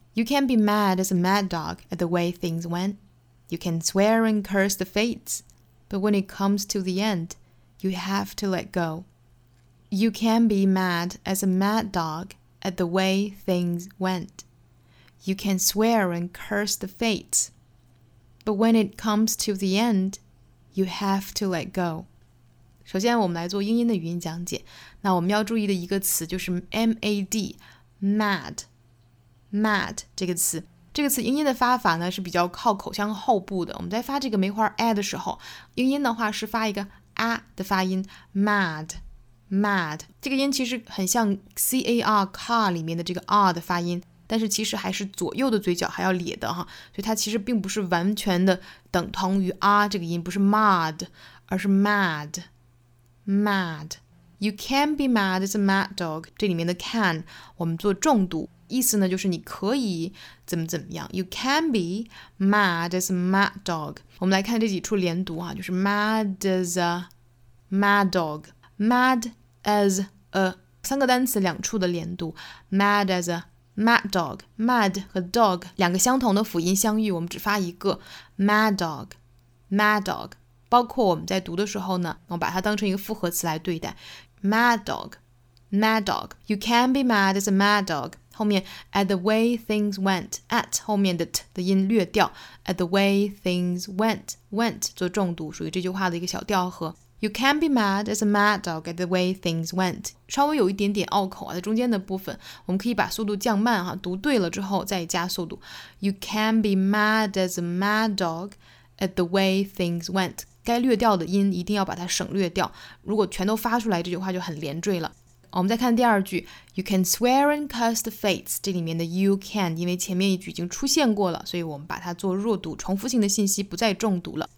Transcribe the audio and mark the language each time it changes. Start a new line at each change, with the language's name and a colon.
English: You can be mad as a mad dog at the way things went. You can swear and curse the fates, but when it comes to the end, you have to let go. You can be mad as a mad dog at the way things went. You can swear and curse the fates. But when it comes to the end, you have to let go.
Chinese: 首先我们来做英音的语音讲解。那我们要注意的一个词就是 MAD, mad, mad 这个词。这个词英音的发法呢是比较靠口腔后部的。我们在发这个梅花 A 的时候，英音的话是发一个 A 的发音 ,mad, mad。这个音其实很像 CAR, car 里面的这个 R 的发音。但是其实还是左右的嘴角还要咧的哈，所以它其实并不是完全的等同于 R 这个音，不是 mad, 而是 mad, mad.
English: You can be mad as a mad dog.
Chinese: 这里面的 can 我们做重读，意思呢就是你可以怎么怎么样。
English: You can be mad as a mad dog.
Chinese: 我们来看这几处连读啊，就是
English: mad as a mad dog, mad as a
Chinese: 三个单词两处的连读 ，mad as a.
English: Mad dog,
Chinese: mad 和 dog 两个相同的辅音相遇，我们只发一个
English: mad dog, mad dog。
Chinese: 包括我们在读的时候呢，我们把它当成一个复合词来对待 ，
English: mad dog, mad dog。 You can be mad as a mad dog。
Chinese: 后面
English: at the way things went, at
Chinese: 后面的 t 的音略掉
English: ，at the way things went, went
Chinese: 做重读，属于这句话的一个小调和。
English: You can be mad as a mad dog at the way things went.
Chinese: 稍微有一点点拗口啊，在中间的部分，我们可以把速度降慢哈，读对了之后再加速度。
English: You can be mad as a mad dog at the way things went.
Chinese: 该略掉的音一定要把它省略掉，如果全都发出来，这句话就很连缀了。我们再看第二句 ，
English: You can swear and curse the fates.
Chinese: 这里面的
English: you can
Chinese: 因为前面一句已经出现过了，所以我们把它做弱读，重复性的信息不再重读了。